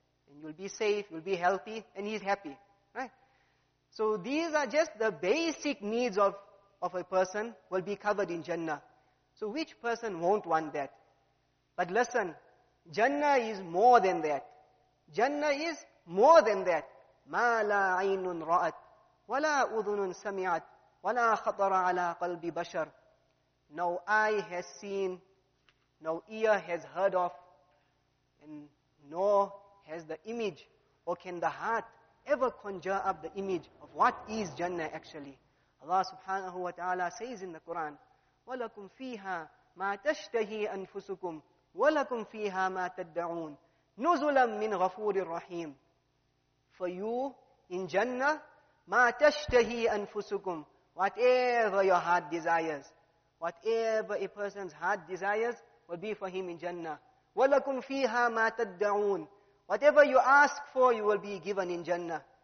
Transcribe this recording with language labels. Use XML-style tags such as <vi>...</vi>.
<en>And you'll be safe, you'll be healthy, and he's happy. Right? So these are just the basic needs of a person will be covered in Jannah. So which person won't want that? But listen, Jannah is more than that. Jannah is more than that.</en> <ar>ما لا عين رأت ولا أذن سمعت ولا خطر على قلب بشر.</ar> <en>No eye has seen, no ear has heard of, and nor has the image, or can the heart ever conjure up the image of what is Jannah actually. Allah subhanahu wa ta'ala says in the Quran,</en> <ar>وَلَكُمْ فِيهَا مَا تَشْتَهِي أَنفُسُكُمْ وَلَكُمْ فِيهَا مَا تَدَّعُونَ نُزُلًا مِّنْ غَفُورٍ رَحِيمٍ.</ar> <en>For you, in Jannah,</en> <ar>مَا تَشْتَهِي أَنفُسُكُمْ,</ar> <en>whatever your heart desires, whatever a person's heart desires will be for him in Jannah.</en> <ar>وَلَكُمْ فِيهَا مَا تَدَّعُونَ,</ar> <en>whatever you ask for, you will be given in Jannah.</en>